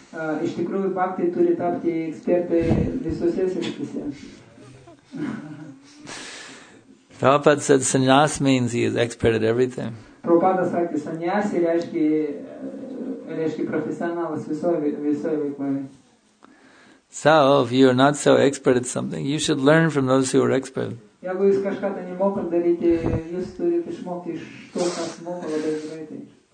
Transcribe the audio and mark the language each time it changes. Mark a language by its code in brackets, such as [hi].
[lt] Iš tikrųjų, bhakti turi tapti ekspertai visose srityse. [en] Prabhupada said sannyas means he is expert at everything. [lt] Prabhupada sakė, sannyasi reiškia profesionalas visoje veikloje. [en] So, if you are not so expert at something, you should learn from those who are expert. [lt] Jeigu jūs kažką tai nemokat daryti, jūs turite išmokti iš to, kas moko labai greitai.